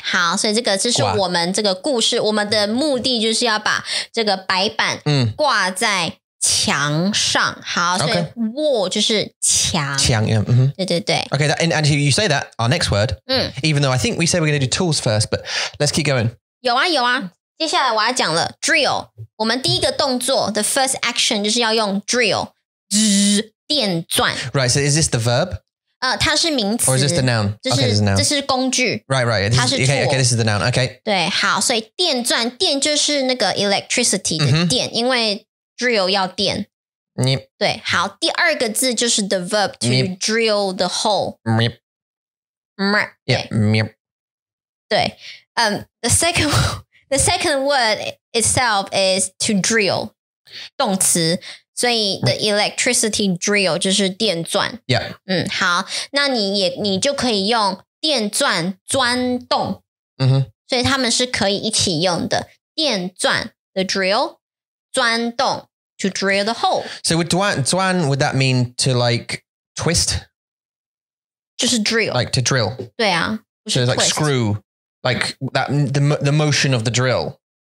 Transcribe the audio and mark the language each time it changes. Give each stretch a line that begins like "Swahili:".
Chinese: 好所以这个就是我们这个故事我们的目的就是要把这个白板挂在墙上好、
English: okay.
Chinese: 所以 wall 就是墙。墙、yeah. mm-hmm. 对对对。
English: Okay, that, and you say that, our next word,、even though I think we say we're going to do tools first, but let's keep going.
Chinese: 有啊有啊接下来我要讲了 drill, 我们第一个动作
English: the first action
Chinese: 就是要用 drill, 滋电钻。
English: Right, so is this the verb?
Chinese: 它是名词。
English: Or is this the noun? Okay, this is a noun.
Chinese: 这是工具。
English: Right, right.
Chinese: 它是
English: tool. Okay, this is the noun. Okay.
Chinese: 对，好，所以电钻，电就是那个 electricity 的电，因为 drill 要电。对，好，第二个字就是
English: the verb to drill the hole. Meep. Meep. Yeah, meep. 对，the second word itself is to drill,
Chinese: 动词。所以
English: the electricity drill
Chinese: 就是电钻。
English: Yeah.
Chinese: 好，那你就可以用电钻钻洞。所以他们是可以一起用的。电钻 the drill, 钻洞
English: to drill the hole. So would would that mean to like twist?
Chinese: 就是 drill.
English: Like to drill.
Chinese: 对啊。
English: So it's like screw, like that, the motion of the drill.